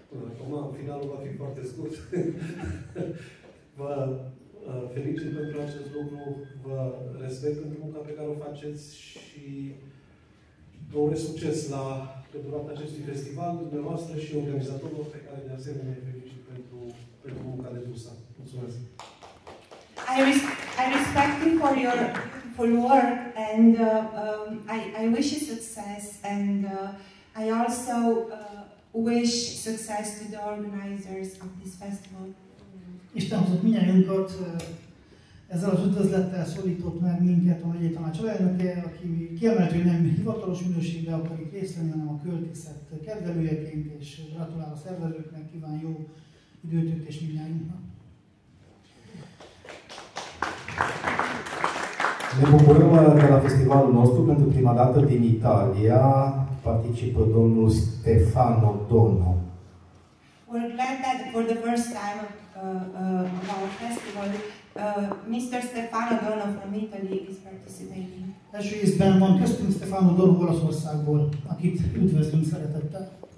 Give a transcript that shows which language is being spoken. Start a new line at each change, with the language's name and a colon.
Romanian: Acum, finalul va fi foarte scurt. Vă felicit pentru acest lucru, vă respect pentru munca pe care o faceți și vă urez succes la durata acestui festival, dumneavoastră și organizatorilor pe care de asemenea îi felicit pentru munca de dusă. Mulțumesc!
English: I respect you for your full work and I wish you success and I also wish success to the organizers of this festival.
Hungarian: Isten hozott mindenünket ezzel az üdvözlettel szólított meg minket a megyei tanácselnöke, aki kiemelt, hogy nem hivatalos minőségben akarik részt venni, hanem a költészet kedvelőjeként, és gratulál a szervezőknek, kíván jó időtőt és mindjárt.
Romanian: Ne bucurăm de la festivalul nostru, pentru prima dată din Italia participă domnul Stefano Donno.
English: We're glad that for the first time of our festival, Mr. Stefano Donno from Italy is participating.
Hungarian: Első ízben van köztünk Stefano Donno Olaszországból, akit üdvözlünk szeretettel.